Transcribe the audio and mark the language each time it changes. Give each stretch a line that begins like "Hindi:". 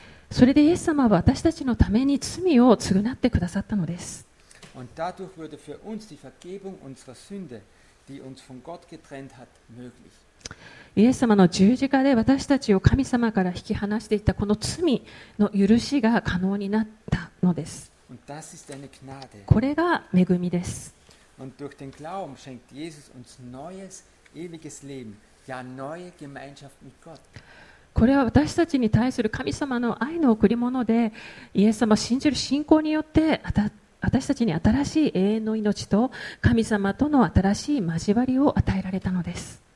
Japanese: それでイエス様は私たちのために罪を償ってくださったのです。
German: Und dadurch wurde für uns die Vergebung unserer Sünde, die uns von Gott getrennt hat, möglich.
Japanese: イエス様の十字架で私たちを神様から引き離していたこの罪の許しが可能になったのです。
German: Und das ist eine Gnade.
Japanese: これが恵みです。
German: Und durch den Glauben schenkt Jesus uns neues, ewiges Leben, ja neue Gemeinschaft mit Gott.
Japanese: これは私たちに対する神様の愛の贈り物で、イエス様を信じる信仰によって私たちに新しい永遠の命と神様との新しい交わりを与えられたのです。